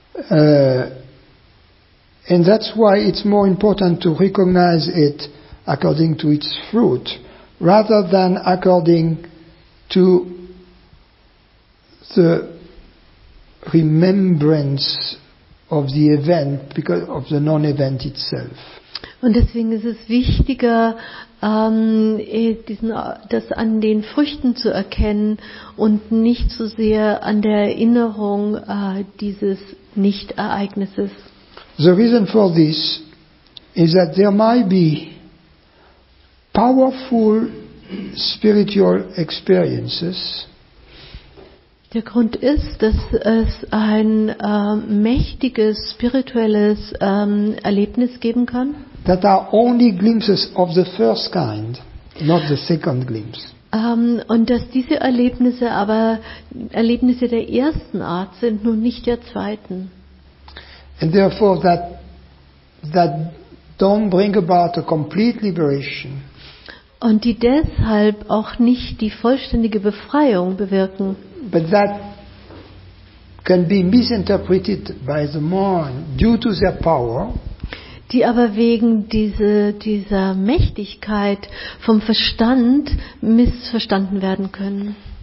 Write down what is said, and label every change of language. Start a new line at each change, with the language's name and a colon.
English: And that's why it's more important to recognize it according to its fruit, rather than according to the remembrance of the event because of the non-event itself.
German: Und deswegen ist es wichtiger, das an den Früchten zu erkennen und nicht so sehr an der Erinnerung dieses Nicht-Ereignisses.
English: The reason for this is that there might be powerful spiritual experiences.
German: Der Grund ist, dass es ein mächtiges spirituelles Erlebnis geben kann.
English: That are only glimpses of the first kind, not the second glimpse.
German: Und dass diese Erlebnisse aber Erlebnisse der ersten Art sind, nur nicht der zweiten.
English: And therefore that don't bring about a complete liberation.
German: Und die deshalb auch nicht die vollständige Befreiung bewirken.
English: But that can be misinterpreted by the mind due to their power.
German: Die aber wegen dieser Mächtigkeit vom Verstand missverstanden werden können.